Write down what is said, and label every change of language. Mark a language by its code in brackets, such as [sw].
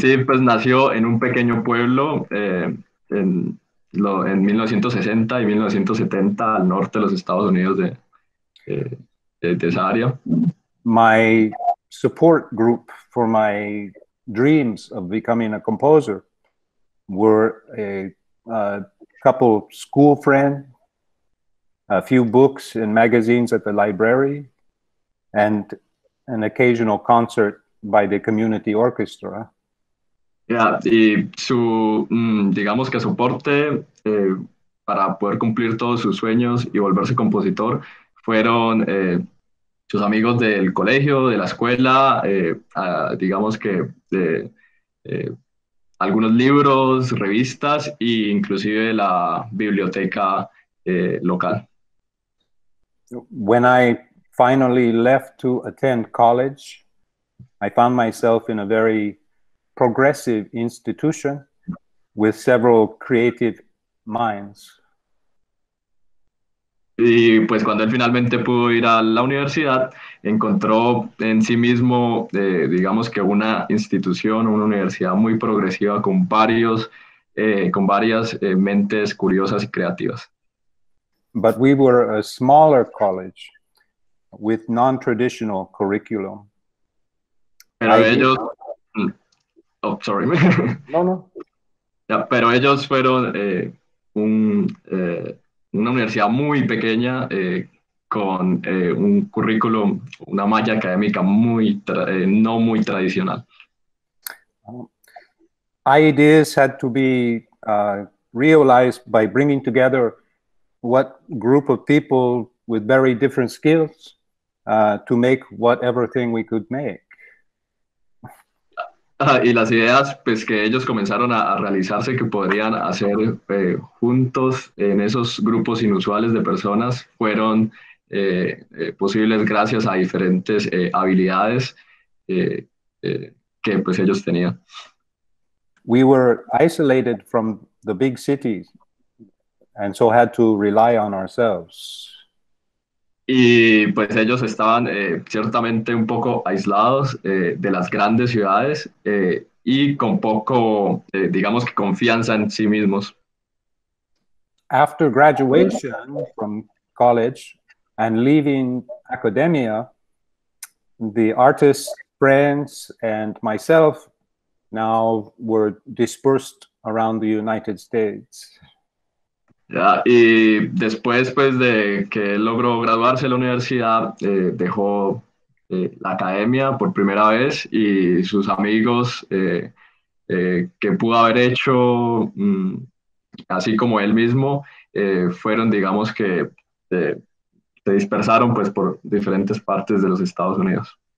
[es] Steve pues nació en un pequeño pueblo en 1960 y 1970 al norte de los Estados Unidos de esa área. [en] My support group for my dreams of becoming a composer were a couple of school friends, a few books and magazines at the library, and an occasional concert by the community orchestra. [es] Yeah, y su, digamos que soporte para poder cumplir todos sus sueños y volverse compositor fueron sus amigos del colegio, de la escuela, digamos que de algunos libros, revistas e inclusive la biblioteca local. [en] when I finally left to attend college, I found myself in a very progressive institution with several creative minds. [es] Y pues cuando él finalmente pudo ir a la universidad, encontró en sí mismo, digamos que una institución, una universidad muy progresiva con varios, con varias mentes curiosas y creativas. [en] But we were a smaller college with non-traditional curriculum. [es] Pero ellos, [en] oh, sorry. [es] No, no. Ya, pero ellos fueron una universidad muy pequeña con un currículum, una malla académica muy no muy tradicional. [en] Ideas had to be realized by bringing together what group of people with very different skills to make whatever thing we could make. [es] Y las ideas pues que ellos comenzaron a realizarse que podrían hacer juntos en esos grupos inusuales de personas fueron posibles gracias a diferentes habilidades que pues ellos tenían. [en] We were isolated from the big cities and so had to rely on ourselves. [es] Y pues ellos estaban ciertamente un poco aislados de las grandes ciudades y con poco, digamos que confianza en sí mismos. [en] After graduation from college and leaving academia, the artists, friends, and myself now were dispersed around the United States. [es] Ya, y después pues de que logró graduarse de la universidad, dejó la academia por primera vez y sus amigos que pudo haber hecho así como él mismo fueron, digamos que se dispersaron pues por diferentes partes de los Estados Unidos.